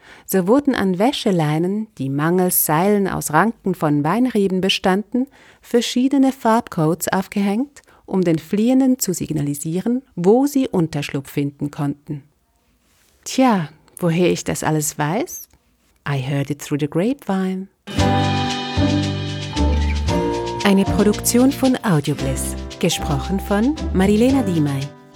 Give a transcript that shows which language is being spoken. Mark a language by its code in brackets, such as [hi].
[de] So wurden an Wäscheleinen, die mangels Seilen aus Ranken von Weinreben bestanden, verschiedene Farbcodes aufgehängt, um den Fliehenden zu signalisieren, wo sie Unterschlupf finden konnten. Tja, woher ich das alles weiß? [en] I heard it through the grapevine. [de] Eine Produktion von Audiobliss, gesprochen von Marilena Diemey.